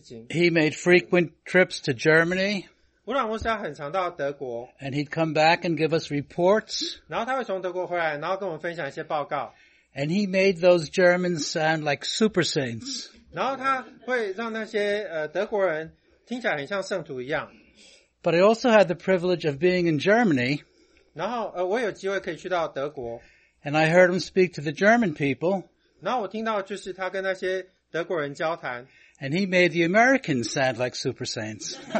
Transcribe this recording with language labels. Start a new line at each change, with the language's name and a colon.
English: He made frequent trips to Germany. And he'd come back and give us reports. And he made those Germans sound like super saints.
Chinese: 然后他会让那些德国人听起来很像圣徒一样。
English: But I also had the privilege of being in Germany.
Chinese: 然后我有机会可以去到德国。
English: And I heard him speak to the German people.
Chinese: 然后我听到就是他跟那些德国人交谈。
English: And he made the Americans sound like super saints.